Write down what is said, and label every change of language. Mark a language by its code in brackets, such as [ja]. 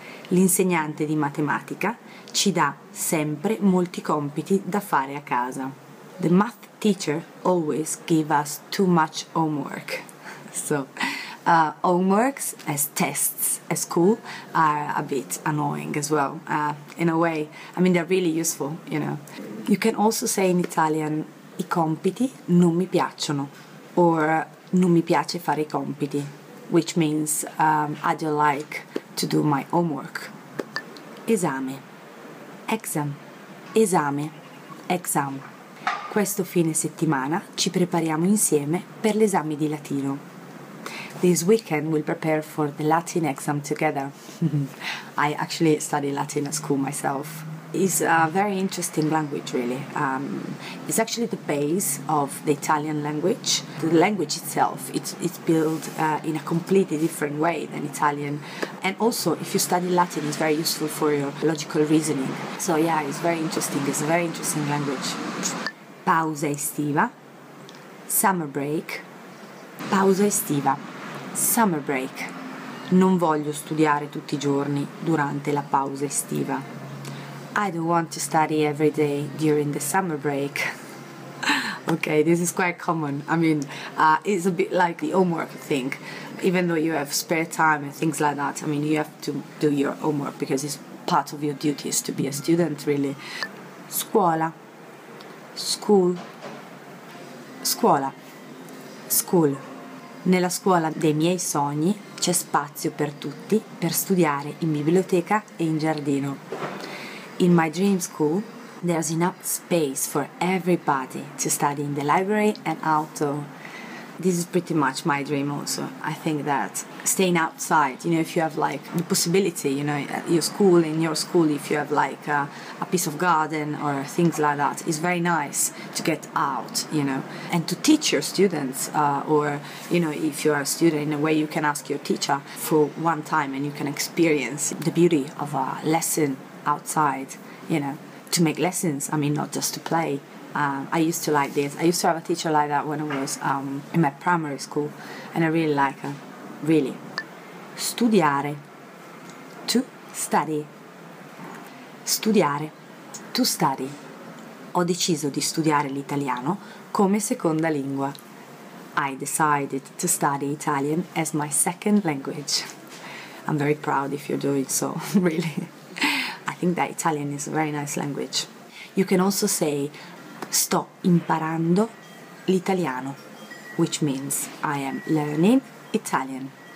[it] L'insegnante di matematica ci dà sempre molti compiti da fare a casa. [en] The math teacher always gives us too much homework. So, homeworks as tests at school are a bit annoying as well. In a way, I mean, they're really useful, you know. You can also say in Italian, [it] I compiti non mi piacciono, [en] or [it] non mi piace fare I compiti, [en] which means I don't like to do my homework. [it] Esame. Exam. Esame. Exam. Questo fine settimana ci prepariamo insieme per l'esame di latino. [en] This weekend we'll prepare for the Latin exam together. I actually study Latin at school myself. It's a very interesting language, really. It's actually the base of the Italian language. The language itself, it's built in a completely different way than Italian. And also, if you study Latin, it's very useful for your logical reasoning. So yeah, it's very interesting. It's a very interesting language. Pausa estiva. Summer break. Pausa estiva. Summer break. [it] Non voglio studiare tutti I giorni durante la pausa estiva. [en] I don't want to study every day during the summer break. Okay, this is quite common. I mean, it's a bit like the homework thing. Even though you have spare time and things like that, I mean, you have to do your homework because it's part of your duties to be a student, really. Scuola. School. Scuola. School. [it] Nella scuola dei miei sogni c'è spazio per tutti per studiare in biblioteca e in giardino. [en] In my dream school, there's enough space for everybody to study in the library and outdoor. This is pretty much my dream also. I think that staying outside, you know, if you have like the possibility, you know, at your school, in your school, if you have like a piece of garden or things like that, it's very nice to get out, you know, and to teach your students or, you know, if you're a student, in a way you can ask your teacher for one time and you can experience the beauty of a lesson outside, you know, to make lessons, I mean, not just to play. I used to like this. I used to have a teacher like that when I was in my primary school, and I really like her, really. Studiare, to study. Studiare, to study. [it] Ho deciso di studiare l'italiano come seconda lingua. [en] I decided to study Italian as my second language. I'm very proud if you're doing so, really. I think that Italian is a very nice language. You can also say, [it] sto imparando l'italiano, [en] which means I am learning Italian.